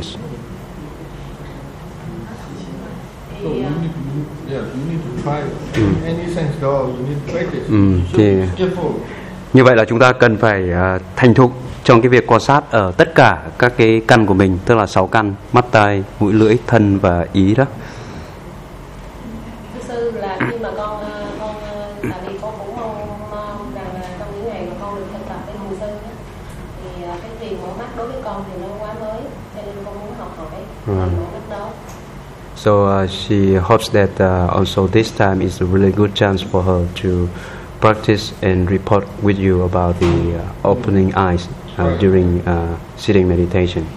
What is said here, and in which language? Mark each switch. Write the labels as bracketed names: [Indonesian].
[English] So you need to try any sense though. You need to practice. Skillful. [Vietnamese] Như vậy là chúng ta cần phải thành thục trong cái việc quan sát ở tất cả các cái căn của mình, tức là 6 căn: mắt, tai, mũi, lưỡi, thân và ý đó. Thưa sư, là khi mà con tại vì con cũng mong rằng trong những ngày mà con được thực tập với thầy sư thì cái thiền mở mắt đối với con thì nó quá mới, cho nên con muốn học hỏi [English] So she hopes that also this time is a really good chance for her to practice and report with you about the opening eyes during sitting meditation.